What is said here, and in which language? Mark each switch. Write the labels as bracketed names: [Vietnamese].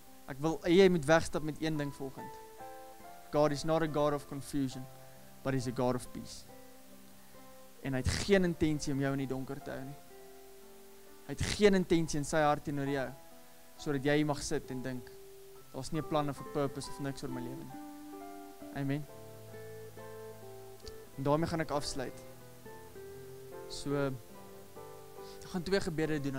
[Afrikaans] Ek wil, jy moet wegstap met een ding volgend. [English] God is not a God of confusion, but he's a God of peace. [Afrikaans] En hy het geen intentie om jou in die donker te hou nie. Hy het geen intentie in sy hart teenoor jou, sodat jy mag sit en dink, daar is nie 'n plan of 'n purpose of niks oor my lewe nie. Amen. En daarmee gaan ek afsluit. So, ek gaan twee gebede doen.